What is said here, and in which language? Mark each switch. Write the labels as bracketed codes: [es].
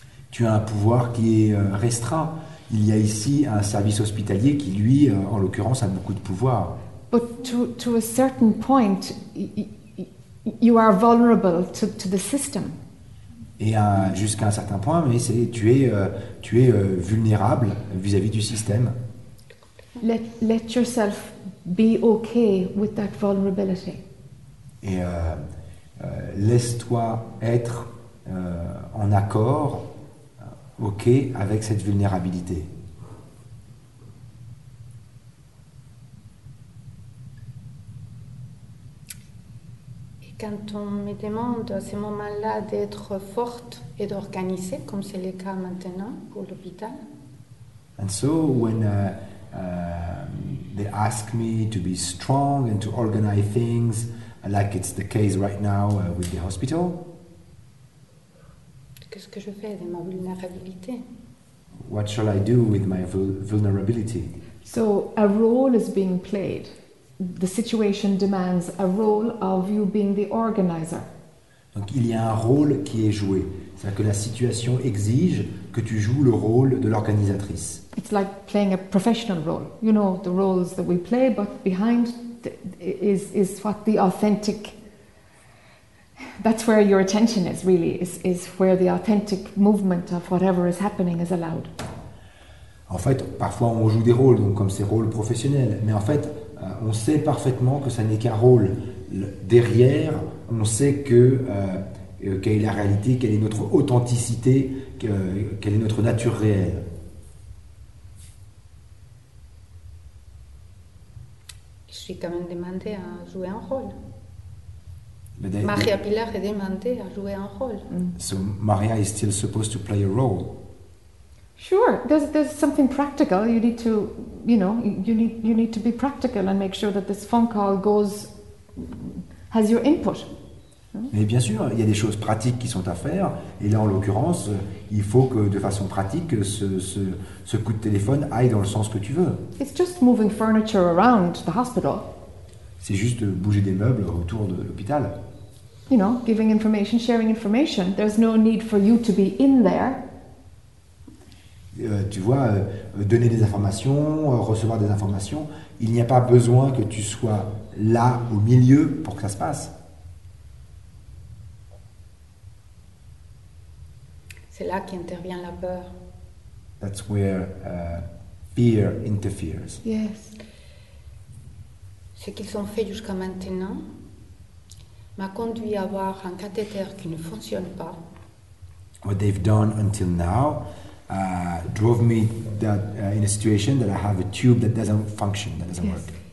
[fr] Tu as un pouvoir qui est restreint. Il y a ici un service hospitalier qui, lui, en l'occurrence, a beaucoup de pouvoir. [en] But to a certain point, you are vulnerable to the system. [fr] Et jusqu'à un certain point, mais tu es vulnérable vis-à-vis du système. [en] Let yourself be okay with that vulnerability. [fr] Et laisse-toi être en accord. Ok, avec cette vulnérabilité. Et quand on me demande à ce moment-là d'être forte et d'organiser, comme c'est le cas maintenant pour l'hôpital. [en] And so when they ask me to be strong and to organize things, like it's the case right now with the hospital. [fr] Qu'est-ce que je fais de ma vulnérabilité? [en] What shall I do with my vulnerability? So a role is being played. The situation demands a role of you being the organizer. [fr] Donc il y a un rôle qui est joué. C'est-à-dire que la situation exige que tu joues le rôle de l'organisatrice. [en] It's like playing a professional role. You know the roles that we play, but behind is what the authentic. That's where your attention is, really, is where the authentic movement of whatever is happening is allowed. [fr] En fait, parfois on joue des rôles, donc comme ces rôles professionnels, mais en fait, on sait parfaitement que ça n'est qu'un rôle. Derrière, on sait que quelle est la réalité, quelle est notre authenticité, quelle est notre nature réelle. Je suis quand même demandé à jouer un rôle. Maria Pilar est demandée à jouer un rôle. [en] So Maria is still supposed to play a role. Sure, there's something practical. You need to, you know, you need to be practical and make sure that this phone call has your input. [fr] Mais bien sûr, il y a des choses pratiques qui sont à faire. Et là, en l'occurrence, il faut que, de façon pratique, ce coup de téléphone aille dans le sens que tu veux. [en] It's just moving furniture around the hospital. [fr] C'est juste bouger des meubles autour de l'hôpital. [en] You know, giving information, sharing information. There's no need for you to be in there. [fr] Tu vois, donner des informations, recevoir des informations, il n'y a pas besoin que tu sois là, au milieu, pour que ça se passe. C'est là qu'intervient la peur. [en] That's where fear interferes. Yes. [fr] Ce qu'ils ont fait jusqu'à maintenant m'a conduit à avoir un cathéter qui ne fonctionne pas. [en] What they've done until now drove me that, in a situation that I have a tube that doesn't function, that doesn't work.